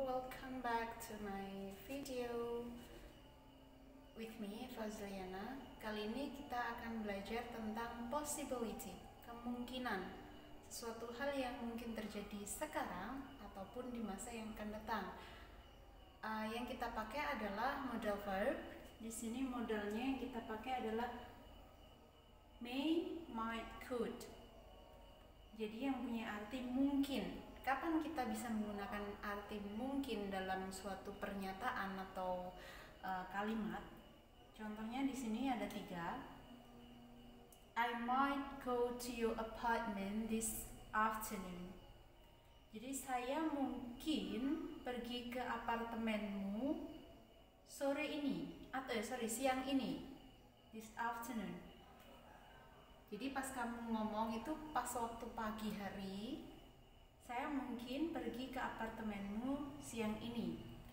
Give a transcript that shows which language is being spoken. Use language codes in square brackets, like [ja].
[en] Welcome back to my video with me, Fazliana. [id] Kali ini kita akan belajar tentang possibility, kemungkinan. Sesuatu hal yang mungkin terjadi sekarang ataupun di masa yang akan datang. Yang kita pakai adalah modal verb. Di sini modalnya yang kita pakai adalah may, might, could. Jadi yang punya arti mungkin. Kapan kita bisa menggunakan arti mungkin dalam suatu pernyataan atau kalimat? Contohnya di sini ada 3. [en] I might go to your apartment this afternoon. [id] Jadi saya mungkin pergi ke apartemenmu sore ini atau siang ini. [en] This afternoon. [id] Jadi pas kamu ngomong itu pas waktu pagi hari. Saya mungkin pergi ke apartemenmu siang ini.